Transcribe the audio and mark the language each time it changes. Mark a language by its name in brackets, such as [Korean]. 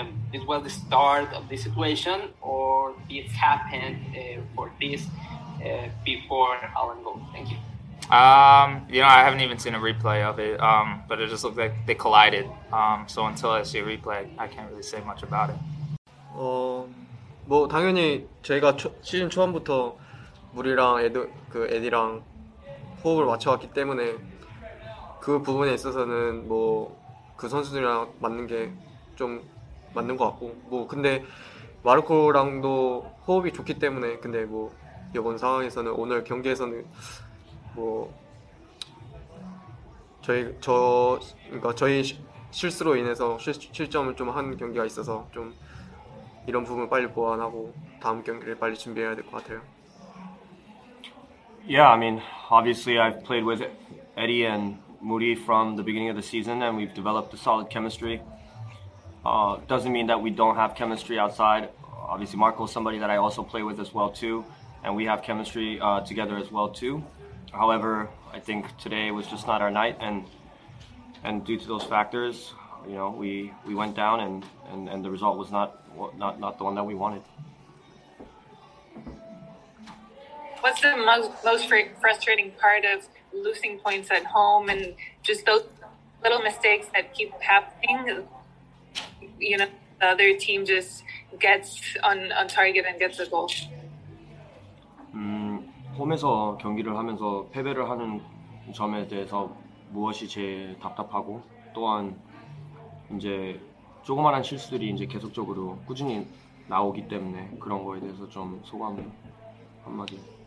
[English] It was the start of the situation, or did it happen for this before Alan goal? Thank you. You know, I haven't even seen a replay of it, but it just looked like they collided. So until I see a replay, I can't really say much about it. [Korean] 뭐 당연히 저희가 시즌 처음부터 무리랑 에디랑 호흡을 맞춰왔기 때문에 그 부분에 있어서는 뭐 그 선수들이랑 맞는 게 좀 맞는 것 같고 뭐 근데 마르코랑도 호흡이 좋기 때문에 근데 뭐 이번 상황에서는 오늘 경기에서는 뭐 저희 실수로 인해서 실점을 좀 한 경기가 있어서 좀 이런 부분을 빨리 보완하고 다음 경기를 빨리 준비해야 될 것 같아요. [English] Yeah, I mean, obviously I've played with Eddie and Moody from the beginning of the season and we've developed a solid chemistry. Doesn't mean that we don't have chemistry outside. Obviously Marco is somebody that I also play with as well too, and we have chemistry together as well too. However, I think today was just not our night, and due to those factors, you know, we went down, and the result was not the one that we wanted. What's the most frustrating part of losing points at home, and just those little mistakes that keep happening? You know, the other team just gets on target and gets a goal? [Korean] 홈에서 경기를 하면서 패배를 하는 점에 대해서 무엇이 제일 답답하고 또한 이제 조그마한 실수들이 이제 계속적으로 꾸준히 나오기 때문에 그런 거에 대해서 좀 소감 한마디.